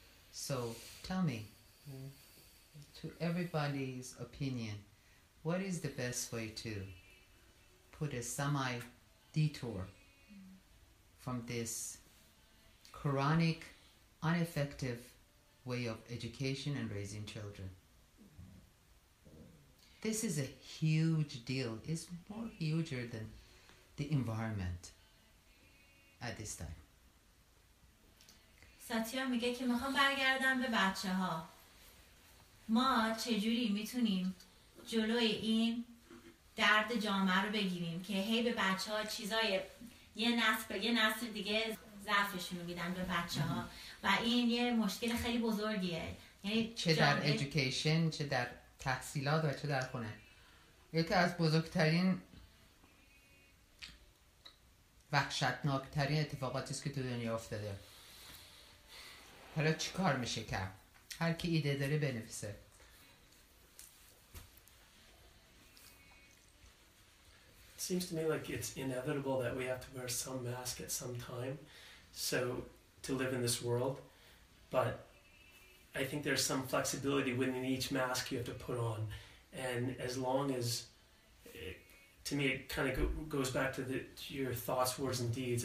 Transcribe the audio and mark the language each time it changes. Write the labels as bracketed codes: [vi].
[en] So tell me, to everybody's opinion, what is the best way to put a semi-detour from this Quranic, ineffective way of education and raising children? This is a huge deal. It's more huger than the environment at this time. [fa] ساتیا میگه که میخوام برگردم به بچه ها. ما چجوری میتونیم جلوی این درد جامعه رو بگیریم که هی به بچه ها چیزای یه نسل به یه نسل دیگه ضعفشون رو میدن به بچه ها و این یه مشکل خیلی بزرگیه. یعنی چه در ادویکیشن، چه در تحصیلات و چه در خونه. یکی از بزرگترین وحشتناکترین اتفاقاتیست که تو دنیا افتاده. حالا چی کار میشه که هر کی ایده داره بنویسه؟ [en] It seems to me like it's inevitable that we have to wear some mask at some time, so to live in this world. But I think there's some flexibility within each mask you have to put on, and as long as, to me, it kind of goes back to your thoughts, words, and deeds.